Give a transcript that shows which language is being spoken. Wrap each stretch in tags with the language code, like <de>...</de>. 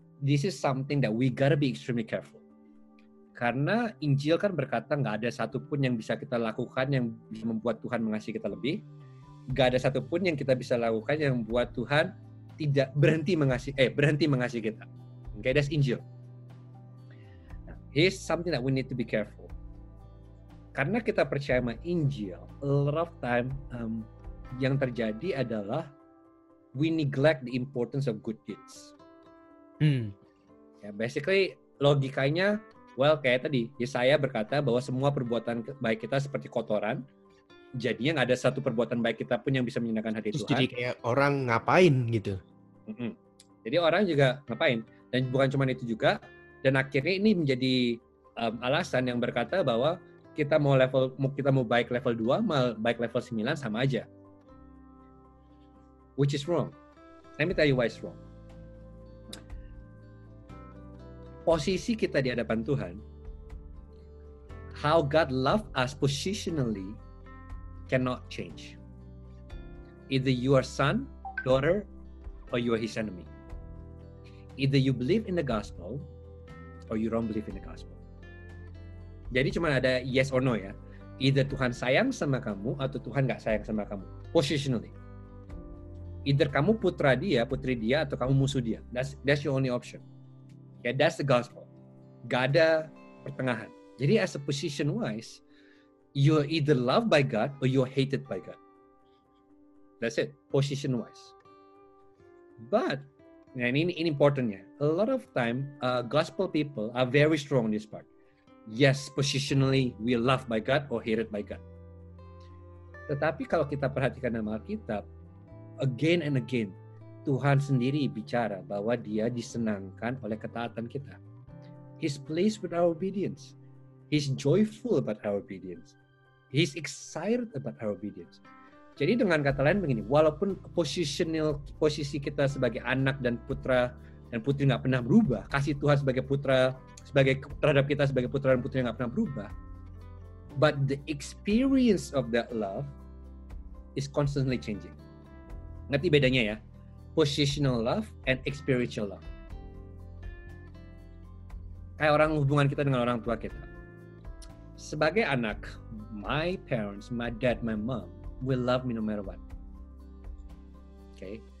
<en>This is something that we gotta be extremely careful.</en> <id>Karena Injil kan berkata enggak ada satupun yang bisa kita lakukan yang bisa membuat Tuhan mengasihi kita lebih. Gak ada satupun yang kita bisa lakukan yang buat Tuhan tidak berhenti mengasihi kita.</id> <en>Okay, that's Injil. Here's something that we need to be careful.</en> <id>Karena kita percaya sama Injil,</id> <en>a lot of time</en> <id>yang terjadi adalah</id> <en>we neglect the importance of good deeds.</en> <id>Yeah, basically logikanya, well kayak tadi Yesaya berkata bahwa semua perbuatan baik kita seperti kotoran. Jadinya gak ada satu perbuatan baik kita pun yang bisa menyenangkan hati terus Tuhan. Jadi kayak orang ngapain gitu. Mm-hmm. Jadi orang juga ngapain. Dan bukan cuma itu juga. Dan akhirnya ini menjadi alasan yang berkata bahwa kita mau baik level 2, mau baik level 9 sama aja.</id> <en>Which is wrong. Let me tell you why it's wrong.</en> <id>Posisi kita di hadapan Tuhan,</id> <en>how God love us positionally, cannot change. Either you are son, daughter, or you are his enemy. Either you believe in the gospel, or you don't believe in the gospel.</en> <id>Jadi cuma ada</id> <en>yes or no</en> <id>ya. Either Tuhan sayang sama kamu, atau Tuhan gak sayang sama kamu. Positionally. Either kamu putra dia, putri dia, atau kamu musuh dia.</id> <en>That's your only option. Yeah, that's the gospel.</en> <id>Gak ada pertengahan.</id> <en>Jadi as a position wise, you are either loved by God or you are hated by God. That's it, position wise. But, and ini importantnya, a lot of time gospel people are very strong on this part. Yes, positionally we are loved by God or hated by God.</en> <id>Tetapi kalau kita perhatikan dalam Alkitab,</id> <en>again and again,</en> <id>Tuhan sendiri bicara bahwa dia disenangkan oleh ketaatan kita.</id> <en>He's pleased with our obedience. He's joyful about our obedience. He's excited about our obedience.</en> <id>Jadi dengan kata lain begini, walaupun posisi kita sebagai anak dan putra dan putri gak pernah berubah, kasih Tuhan sebagai putra, terhadap kita sebagai putra dan putri gak pernah berubah,</id> <en>but the experience of that love is constantly changing.</en> <id>Ngerti bedanya ya?</id> <en>Positional love and experiential love.</en> <id>Kayak orang hubungan kita dengan orang tua kita. Sebagai anak,</id> <en>my parents, my dad, my mom will love me no matter what. Okay?</en>